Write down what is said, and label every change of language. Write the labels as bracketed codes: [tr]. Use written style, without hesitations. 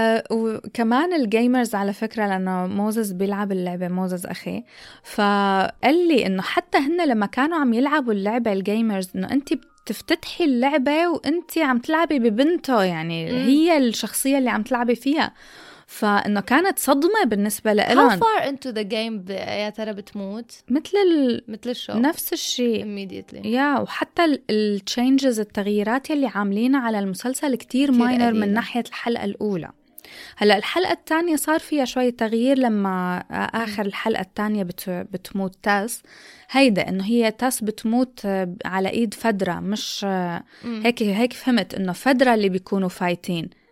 [ar] وكمان الجيمرز على فكرة لأنه موزز بيلعب اللعبة موزز أخي فقال لي أنه حتى هن لما كانوا عم يلعبوا اللعبة الجيمرز أنه أنت بتفتتحي اللعبة وأنت عم تلعبي ببنته يعني هي الشخصية اللي عم تلعبي فيها فأنه كانت صدمة بالنسبة لإلهم. [en] How far into the game [ar] يا ترى بتموت؟ مثل الشو نفس الشيء [en] immediately [ar] وحتى الchanges التغييرات اللي عاملين على المسلسل كتير ماينر من ناحية الحلقة الأولى. هلأ الحلقة الثانية صار فيها شوية تغيير لما آخر الحلقة الثانية بتموت تاس هيدا إنه هي تاس بتموت على إيد فدرة مش هيك فهمت إنه فدرة اللي بيكونوا فايتين